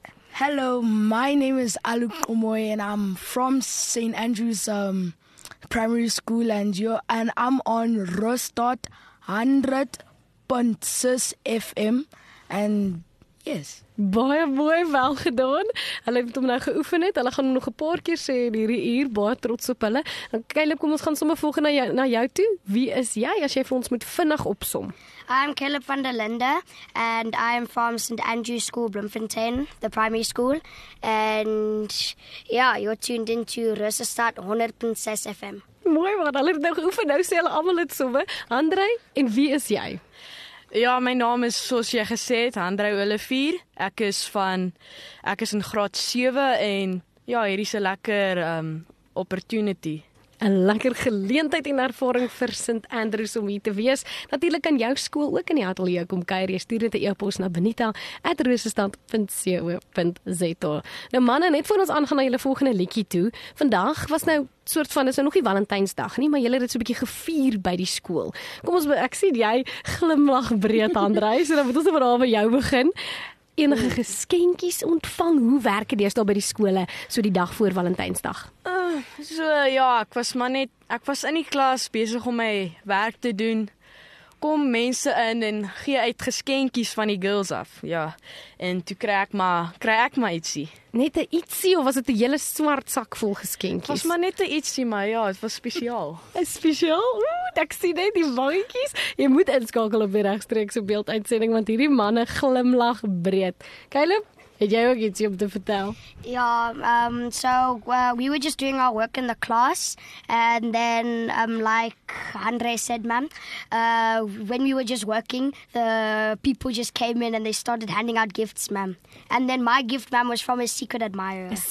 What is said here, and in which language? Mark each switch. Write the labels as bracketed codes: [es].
[en] Hello, my name is Alu Komoy and I'm from St. Andrews Primary School and I'm on Rosestad 100.6 FM and yes. [af] Baie mooi, wel gedaan. Hulle het hom nou geoefen het. Hulle gaan nog 'n paar keer sê in hierdie uur. Baie trots op hulle. Dan Caleb, kom ons gaan sommer volgende na jou toe. Wie is jy as jy vir ons moet vinnig opsom? [en] I'm Caleb van der Linde and I am from St. Andrew's School, Bloemfontein, the primary school. And yeah, you're tuned into Rosestad 100.6 FM. [af] Mooi, want hulle het nou geoefen. Nou sê hulle almal dit sommer. Andre, en wie is jy? Ja, my naam is, soos jy gesê het, Andre Olivier. Ek is in graad 7 en ja, hierdie is 'n lekker opportunity. 'n Lekker geleentheid en ervaring vir St. Andrews om hier te wees. Natuurlik kan jou skool ook in die ateljee kom kuier. Jy stuur net 'n e-pos na benita@rosestad.co.za. Nou manne, net voor ons aangaan na julle volgende liedjie toe. Vandag was nou soort van, is nou nog nie Valentynsdag nie, maar julle het dit so 'n bietjie gevier by die skool. Kom ons, ek sien jy glimlag breed, Andrei, so dan moet ons verhaal by jou begin. Enige geskenkies ontvang, hoe werk dit deesdae by die skole so die dag voor Valentynsdag? Ek was in die klas besig om my werk te doen. Kom mense in en gee uit geskenkies van die girls af. Ja. En toe kry ek maar ietsie. Net 'n ietsie of was dit 'n hele swart sak vol geskenkies? Was maar net 'n ietsie, maar ja, dit was spesiaal. Is spesiaal? Ooh, ek sien net die wangetjies. Jy moet inskakel op die regstreekse beelduitsending want hierdie manne glimlag breed. Caleb, het jy ook ietsie om te vertel? [en] Ja, we were just doing our work in the class and then like Andre said, ma'am, when we were just working, the people just came in and they started handing out gifts, ma'am. And then my gift, ma'am, was from a secret admirer.